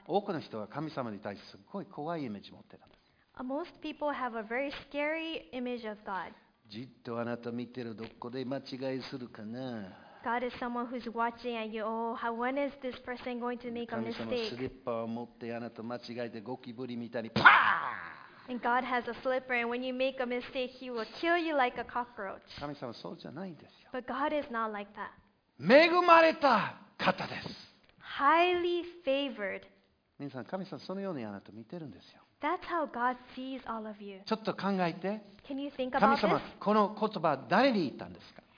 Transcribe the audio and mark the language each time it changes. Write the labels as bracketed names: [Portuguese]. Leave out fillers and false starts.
[Japanese] 多くの人は神様に対してすごい怖いイメージを持っているんです。 [English] Most people have a very scary image of God. [Japanese] じっとあなた見てる、どこで間違いするかな。 [English] God is someone who's watching at you. Oh, when is this person going to make a mistake? [Japanese] 神様スリッパを持ってあなた間違えてゴキブリみたいにパー。 [English] And God has a slipper, and when you make a mistake, He will kill you like a cockroach. [Japanese] 神様そうじゃないんですよ。 [English] But God is not like that. [Japanese] 恵まれた方です。 [English] Highly favored. [Japanese] 皆さん、神様そのようにあなた見てるんですよ。 [English] That's how God sees all of you. [Japanese] ちょっと考えて。 [English] Can you think about this? [Japanese] 神様、この言葉誰に言ったんですか。